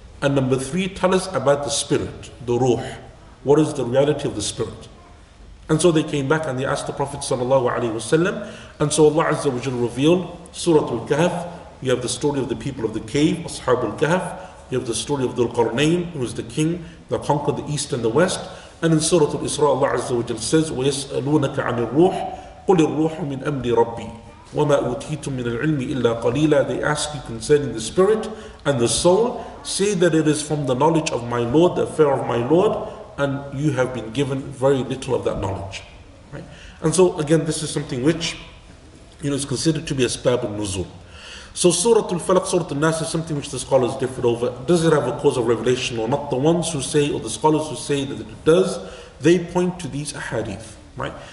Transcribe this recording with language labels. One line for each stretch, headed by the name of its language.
English: And number three, tell us about the spirit, the ruh. What is the reality of the spirit? And so they came back and they asked the Prophet sallallahu alaihi wasallam. And so Allah azza wa jalla revealed Surah Al-Kahf. You have the story of the people of the cave, Ashab Al-Kahf. You have the story of Dhul-Qarnayn, who was the king that conquered the east and the west. And in Surah Al-Isra, Allah azza wa jalla says,
Arabic: وَيَسْأَلُونَكَ عَنِ الرُّوحِ قُلِ الرُّوحُ مِنْ أَمْرِ رَبِّي وَمَا أُوتِيتُم مِنَ الْعِلْمِ إِلَّا قَلِيلًا.
English: They ask you concerning the spirit and the soul. Say that it is from the knowledge of my Lord, the affair of my Lord, and you have been given very little of that knowledge. Right? And so again, this is something which, you know, is considered to be a asbab al-nuzul. So Surah Al-Falaq, Surah Al-Nas is something which the scholars differed over. Does it have a cause of revelation or not? The ones who say, or the scholars who say that it does, they point to these ahadith. Right?